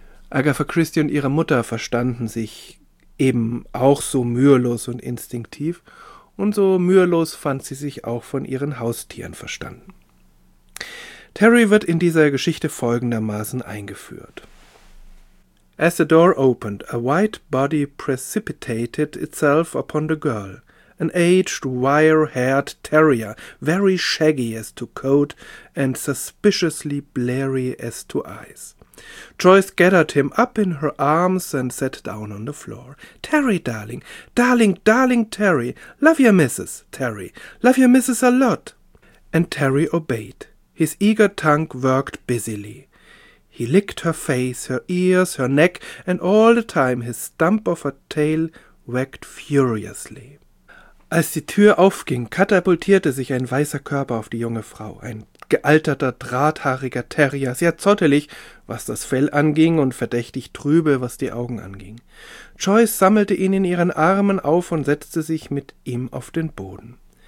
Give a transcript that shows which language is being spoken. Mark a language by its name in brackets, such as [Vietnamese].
[German] Agatha Christie und ihre Mutter verstanden sich eben auch so mühelos und instinktiv, und so mühelos fand sie sich auch von ihren Haustieren verstanden. Terry wird in dieser Geschichte folgendermaßen eingeführt. [English] As the door opened, a white body precipitated itself upon the girl, an aged, wire-haired terrier, very shaggy as to coat and suspiciously blurry as to eyes. Joyce gathered him up in her arms and sat down on the floor. Terry, darling, darling, darling Terry, love your missus, Terry, love your missus a lot. And Terry obeyed. His eager tongue worked busily. He licked her face, her ears, her neck, and all the time his stump of a tail wagged furiously. [German] Als die Tür aufging, katapultierte sich ein weißer Körper auf die junge Frau, ein gealterter, drahthaariger Terrier, sehr zottelig, was das Fell anging, und verdächtig trübe, was die Augen anging. Joyce sammelte ihn in ihren Armen auf und setzte sich mit ihm auf den Boden.